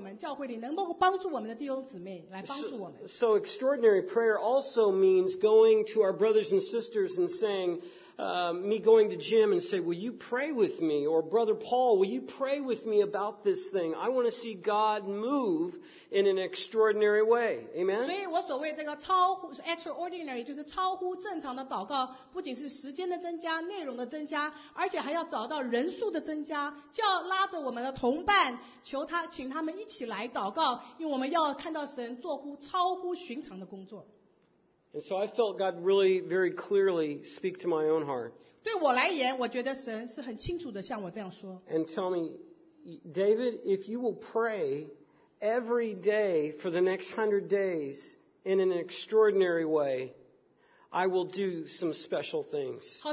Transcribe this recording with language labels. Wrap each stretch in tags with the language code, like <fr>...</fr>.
<zh>同样,我们若是在教会里有什么难处的时候,我们也要寻求能够帮助我们,教会里能够帮助我们的弟兄姊妹,来帮助我们。</zh> <en>So extraordinary prayer also means going to our brothers and sisters and saying, me going to Jim and say, will you pray with me? Or Brother Paul, will you pray with me about this thing? I want to see God move in an extraordinary way. Amen?</en> <zh>所以我所谓这个超乎, extraordinary, 就是超乎正常的祷告, 不仅是时间的增加, 内容的增加, 而且还要找到人数的增加, 就要拉着我们的同伴, 求他, 请他们一起来祷告, 因为我们要看到神做乎超乎寻常的工作。</zh> <en>And so I felt God really very clearly speak to my own heart.</en> <zh>对我来言,我觉得神是很清楚地向我这样说。</zh> <en>And tell me, David, if you will pray every day for the next 100 days in an extraordinary way, I will do some special things.</en>